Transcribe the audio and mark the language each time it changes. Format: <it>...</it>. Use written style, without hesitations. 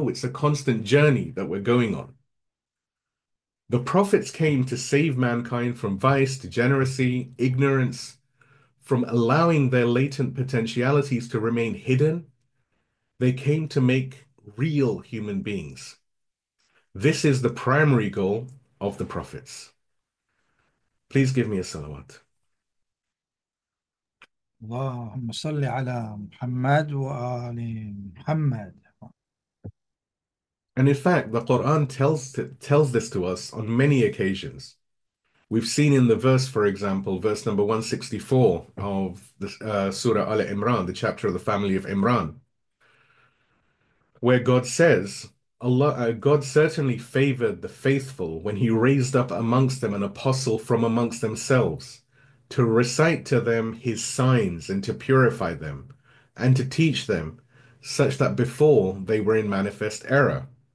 <en>No, it's a constant journey that we're going on. The prophets came to save mankind from vice, degeneracy, ignorance. From allowing their latent potentialities to remain hidden, they came to make real human beings. This is the primary goal of the prophets. Please give me a salawat.</en> <ar>اللهم صل على محمد وآل محمد.</ar> <en>And in fact, the Quran tells this to us on many occasions. We've seen in the verse, for example, verse number 164 of the Surah Ali Imran, the chapter of the family of Imran, where God says, God certainly favored the faithful when He raised up amongst them an apostle from amongst themselves to recite to them His signs and to purify them and to teach them such that before they were in manifest error.</en>